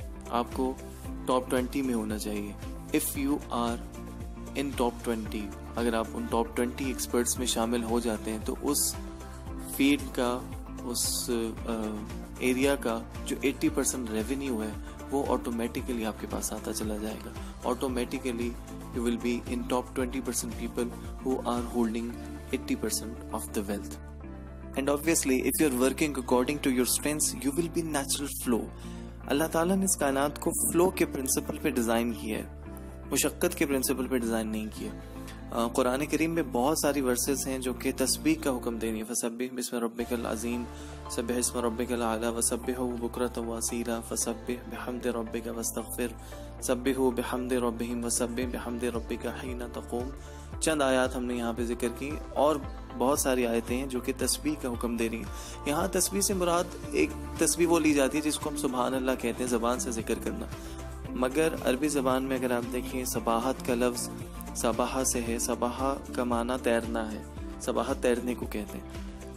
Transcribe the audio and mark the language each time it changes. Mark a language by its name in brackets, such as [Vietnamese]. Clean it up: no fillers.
[Urdu] آپ کو ٹاپ 20 میں ہونا چاہیے. [English] if you are in top 20, [Urdu] اگر آپ ان ٹاپ 20 ایکسپرٹس میں شامل ہو جاتے ہیں تو اس فیلڈ کا, اس ایریا کا جو 80% ریونیو ہے وہ آٹومیٹیکلی آپ کے پاس آتا چلا جائے گا. [English] Automatically you will be in top 20% people who are holding 80% of the wealth. And obviously if you are working according to your strengths you will be natural flow. [Urdu] اللہ تعالیٰ نے اس کائنات کو فلو کے پرنسپل پہ ڈیزائن کیا ہے, مشقت کے پرنسپل پہ ڈیزائن نہیں کیا. قرآن کریم میں بہت ساری ورسز ہیں جو کہ تسبیح کا حکم دے رہی ہیں. [Arabic] فسبح بسم ربک العظیم, سبح اسم ربک الاعلی, وسبحہ بکرۃ واصیلا, فسبح بحمد ربک واستغفر, سبح بحمد ربہم وسبح بحمد ربک حین تقوم. [Urdu] چند آیات ہم نے یہاں پہ ذکر کی اور بہت ساری آیتیں ہیں جو کہ تسبیح کا حکم دے رہی ہیں. یہاں تسبیح سے مراد ایک تسبیح وہ لی جاتی ہے جس کو ہم سبحان اللہ کہتے ہیں, زبان سے ذکر کرنا. مگر عربی زبان میں اگر آپ دیکھیں سباحت کا لفظ سباحہ سے ہے, سباحہ کا معنی تیرنا ہے, سباحہ تیرنے کو کہتے ہیں.